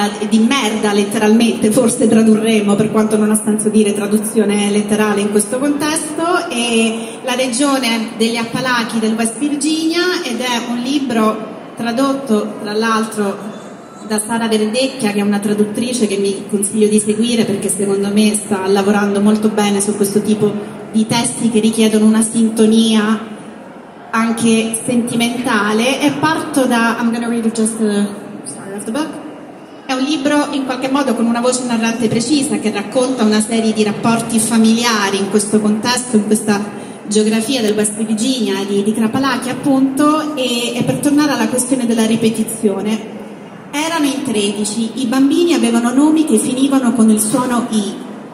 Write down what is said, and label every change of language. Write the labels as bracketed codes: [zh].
[it] di merda letteralmente, forse tradurremo, per quanto non ha senso dire traduzione letterale in questo contesto, e la regione degli Appalachi del West Virginia, ed è un libro tradotto tra l'altro da Sara Verdecchia, che è una traduttrice che mi consiglio di seguire perché secondo me sta lavorando molto bene su questo tipo di testi che richiedono una sintonia anche sentimentale. [en] E parto da I'm gonna read just the start of the book. [it] È un libro in qualche modo con una voce narrante precisa che racconta una serie di rapporti familiari in questo contesto, in questa geografia del West Virginia, di Crapalacchia appunto, e per tornare alla questione della ripetizione, erano in 13, i bambini avevano nomi che finivano con il suono I.